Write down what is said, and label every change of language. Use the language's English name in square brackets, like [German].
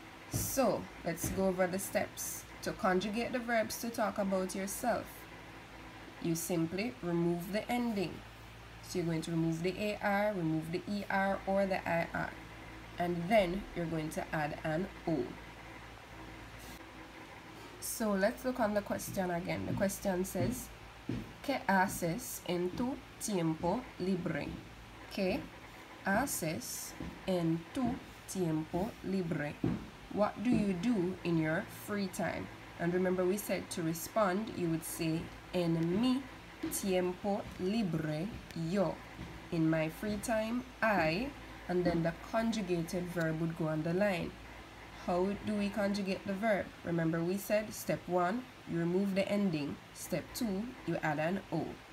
[English] So let's go over the steps. To conjugate the verbs to talk about yourself, you simply remove the ending. So you're going to remove the AR, remove the ER or the IR. And then you're going to add an O. So let's look on the question again. The question says, [Spanish] ¿Qué haces en tu tiempo libre? ¿Qué haces en tu tiempo libre? [English] What do you do in your free time? And remember we said to respond, you would say, [Spanish] En mi tiempo libre, yo. [English] In my free time, I. And then the conjugated verb would go on the line. How do we conjugate the verb? Remember we said, step one, you remove the ending. Step two, you add an O.